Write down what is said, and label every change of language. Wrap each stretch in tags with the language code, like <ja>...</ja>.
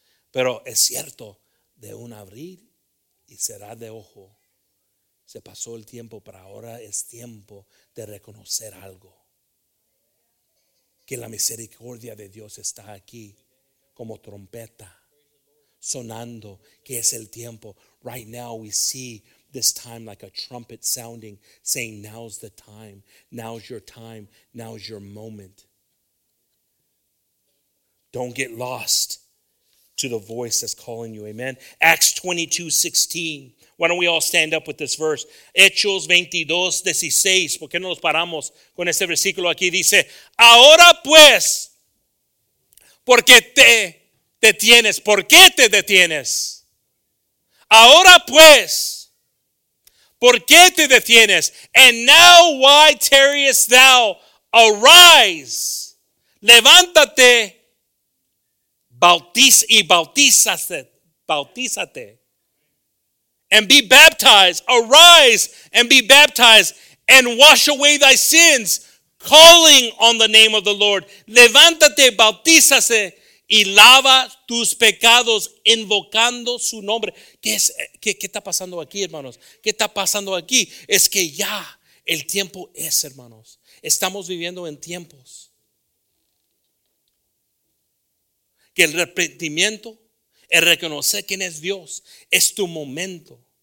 <es>Pero es cierto, de un abrir y cerrar de ojo. Se pasó el tiempo, pero ahora es tiempo de reconocer algo. Que la misericordia de Dios está aquí como trompeta sonando, que es el tiempo.</es> <en>Right now we see this time like a trumpet sounding, saying now's the time, now's your time, now's your moment. Don't get lost to the voice that's calling you, amen. Acts 22:16. Why don't we all stand up with this verse?</en> <es>Hechos 22:16. ¿Por qué no nos paramos con este versículo aquí? Dice, ahora pues, ¿por qué te detienes? ¿Por qué te detienes? Ahora pues, ¿por qué te detienes?</es> <en>And now why tarriest thou? Arise,</en> <es>levántate, bautízate.</es> <en>And be baptized, arise and be baptized and wash away thy sins, calling on the name of the Lord.</en> <es>Levántate, bautízase y lava tus pecados, invocando su nombre. ¿Qué está pasando aquí, hermanos? ¿Qué está pasando aquí? Es que ya el tiempo es, hermanos. Estamos viviendo en tiempos que el arrepentimiento, el reconocer quién es Dios, es tu momento.</es>